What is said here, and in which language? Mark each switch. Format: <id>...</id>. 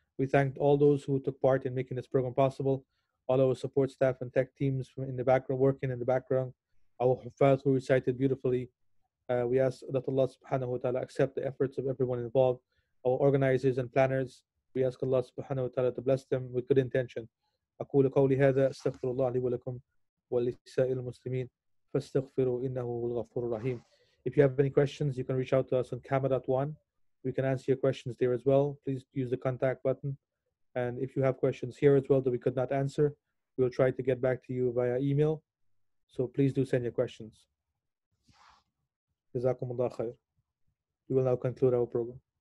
<en>We thank all those who took part in making this program possible, all our support staff and tech teams in the background, working in the background, our Hufaz who recited beautifully. We ask that Allah subhanahu wa ta'ala accept the efforts of everyone involved, our organizers and planners. We ask Allah subhanahu wa ta'ala to bless them with good intention.</en> <ar>أقول قولي هذا استغفر الله لي ولكم ولسائر المسلمين فاستغفروا إنه الغفور الرحيم.</ar> <en>If you have any questions, you can reach out to us on camera.one. We can answer your questions there as well. Please use the contact button. And if you have questions here as well that we could not answer, we'll try to get back to you via email. So please do send your questions.</en> <ar>جزاكم الله خير.</ar> <en>We will now conclude our program.</en>